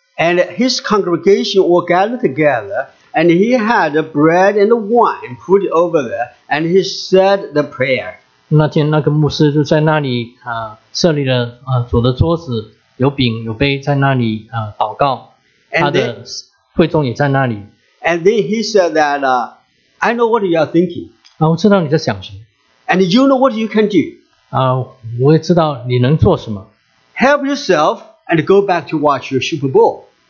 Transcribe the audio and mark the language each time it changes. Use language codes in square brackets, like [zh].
[en] And his congregation were gathered together, and he had bread and wine put over there, and he said the prayer. [zh] 那天那个牧师就在那里设立了主的桌子，有饼有杯在那里祷告，他的会众也在那里。 [en] And then he said that, I know what you are thinking. [zh] 我知道你在想什么。 [en] And you know what you can do. [zh] 我也知道你能做什么。 [en] Help yourself and go back to watch your Super Bowl.